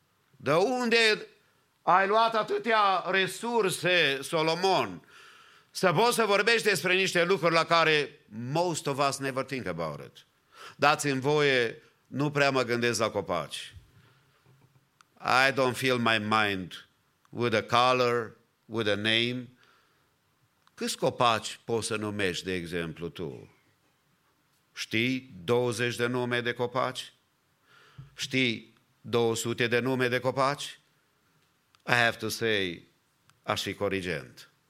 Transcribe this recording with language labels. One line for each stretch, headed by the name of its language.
Romanian: De unde ai luat atâtea resurse, Solomon, să poți să vorbești despre niște lucruri la care
English: most of us never think about it?
Romanian: Dați-mi voie, nu prea mă gândesc la copaci.
English: I don't fill my mind with a color, with a name.
Romanian: Câți copaci poți să numești, de exemplu, tu? Știi 20 de nume de copaci? Știi 200 de nume de copaci?
English: I have to say,
Romanian: aș fi corigent.